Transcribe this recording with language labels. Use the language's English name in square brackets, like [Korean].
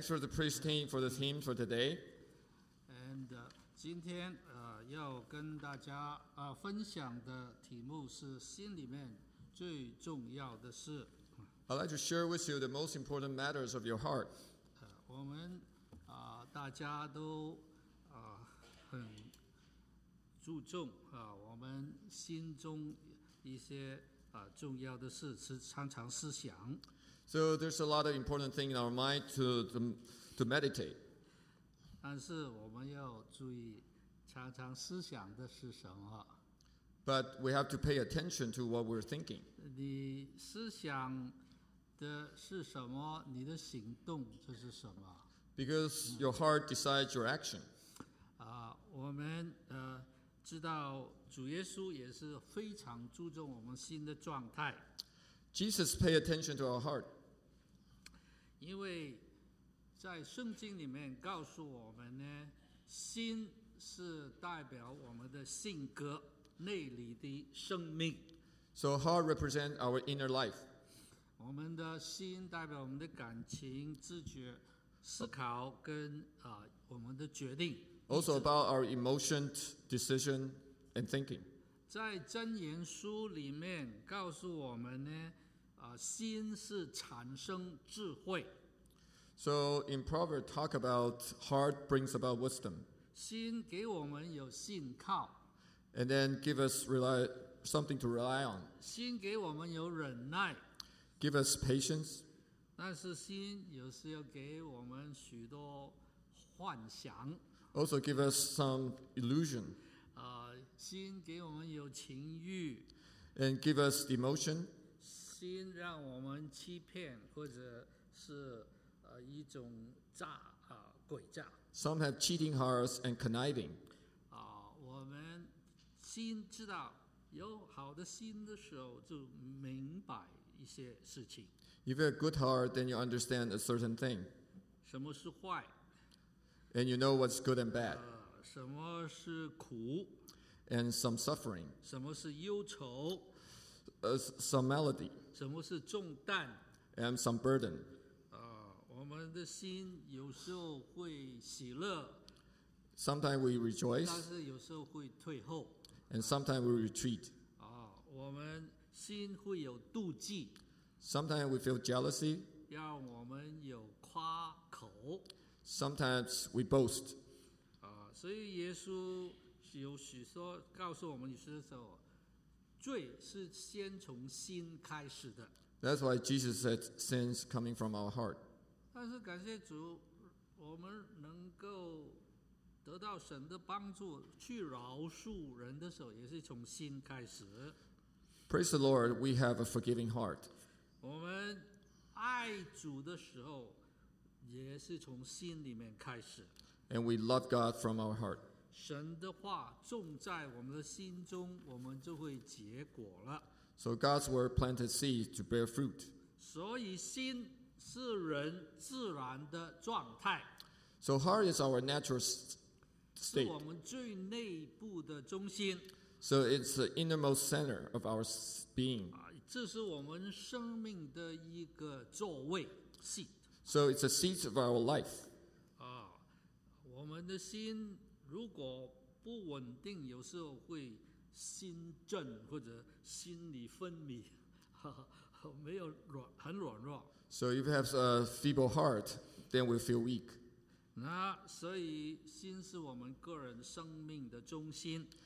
[English] for the praise team for the theme for today. [Chinese] And 今天要跟大家分享的题目是心里面最重要的事。 [English] I'd like to share with you the most important matters of your heart. [Chinese] 我们大家都很注重我们心中一些重要的事，常常思想。 [English] So there's a lot of important things in our mind to meditate. [Chinese] 但是我们要注意常常思想的是什么。 [English] But we have to pay attention to what we're thinking. [Chinese] 你思想的是什么，你的行动就是什么。 [English] Because your heart decides your action. [Chinese] 我们知道主耶稣也是非常注重我们心的状态。 [English] Jesus pay attention to our heart. [Chinese] 因为在圣经里面告诉我们呢，心是代表我们的性格，内里的生命。 [English] So heart represents our inner life. [Chinese] 我们的心代表我们的感情、自觉、思考跟我们的决定。 [English] Also about our emotions, decision, and thinking. [Chinese] 在箴言书里面告诉我们呢，心是产生智慧。 [English] So in Proverbs, talk about heart brings about wisdom. [Chinese] 心给我们有信靠。 [English] And then give us something to rely on. [Chinese] 心给我们有忍耐。 [English] Give us patience. [Chinese] 但是心有时要给我们许多幻想。 [English] Also give us some illusion. [Chinese] 心给我们有情欲。 [English] And give us emotion. [Chinese] 心让我们欺骗或者是一种诈诡诈。 [English] Some have cheating hearts and conniving. [Chinese] 我们心知道有好的心的时候就明白一些事情。 [English] If you have a good heart, then you understand a certain thing. [Chinese] 什么是坏？ [English] And you know what's good and bad. [Chinese] 什么是苦？ [English] And some suffering. [Chinese] 什么是忧愁？ [English] Some malady. [Chinese] 什么是重担？ [English] And some burden. [Chinese] 我们的心有时候会喜乐。 [English] Sometimes we rejoice. [Chinese] 但是有时候会退后。 [English] And sometimes we retreat. [Chinese] 我们心会有妒忌。 [English] Sometimes we feel jealousy. [Chinese] 让我们有夸口。 [English] Sometimes we boast. [Chinese] 所以耶稣有许多告诉我们，有时候罪是先从心开始的。 [English] That's why Jesus said sins coming from our heart. [Chinese] 但是感谢主，我们能够得到神的帮助去饶恕人的时候，也是从心开始。 [English] Praise the Lord, we have a forgiving heart. [Chinese] 我们爱主的时候也是从心里面开始。 [English] And we love God from our heart. [Chinese] 神的话种在我们的心中，我们就会结果了。 [English] So God's word planted seed to bear fruit. [Chinese] 所以心是人自然的状态。 [English] So heart is our natural state. [Chinese] 是我们最内部的中心。 [English] So it's the innermost center of our being. [Chinese] 这是我们生命的一个座位 seat. [English] So it's the seat of our life. [Chinese] 我们的心如果不稳定，有时候会心震或者心里分迷，没有软，很软弱。 [English] So if you have a feeble heart, then we feel weak. [Chinese] 那所以心是我们个人生命的中心。